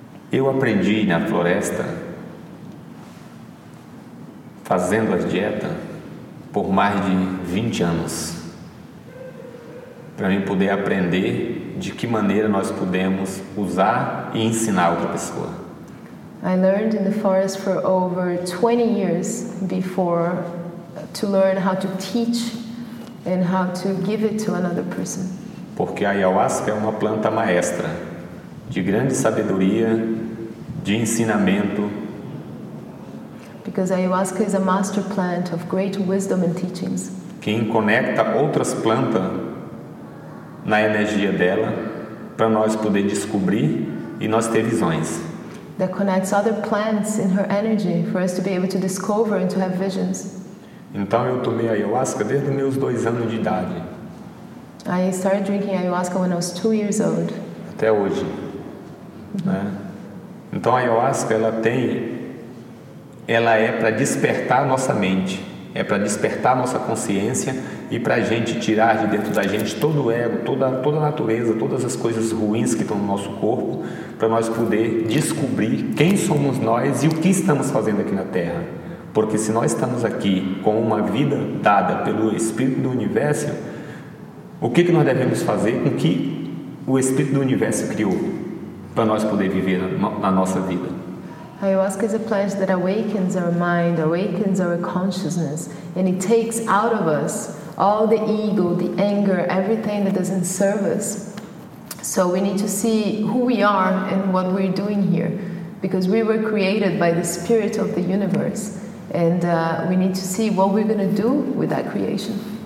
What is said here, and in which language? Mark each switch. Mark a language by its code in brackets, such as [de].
[pt] Eu aprendi na floresta, fazendo a dieta, por mais de 20 anos. Para mim poder aprender de que maneira nós podemos usar e ensinar outra pessoa. [en] I learned in the forest for over 20 years before to learn how to teach and how to give it to another person. [pt] Porque a ayahuasca é uma planta maestra de grande sabedoria, de ensinamento. [en] Because ayahuasca is a master plant of great wisdom and teachings. [pt] Que conecta outras plantas na energia dela, para nós poder descobrir e nós ter visões. [en] That connects other plants in her energy for us to be able to discover and to have visions. [pt] Então eu tomei ayahuasca desde meus 2 anos de idade. [en] I started drinking ayahuasca when I was 2 years old. [pt] Até hoje. Mm-hmm. Né? Então a ayahuasca ela é para despertar nossa mente. É para despertar nossa consciência e para a gente tirar de dentro da gente todo o ego, toda a natureza, todas as coisas ruins que estão no nosso corpo, para nós poder descobrir quem somos nós e o que estamos fazendo aqui na Terra. Porque se nós estamos aqui com uma vida dada pelo Espírito do Universo, o que nós devemos fazer com que o Espírito do Universo criou para nós poder viver na nossa vida? [en] Ayahuasca is a plant that awakens our mind, awakens our consciousness, and it takes out of us all the ego, the anger, everything that doesn't serve us. So we need to see who we are and what we're doing here, because we were created by the spirit of the universe, and we need to see what we're going to do with that creation.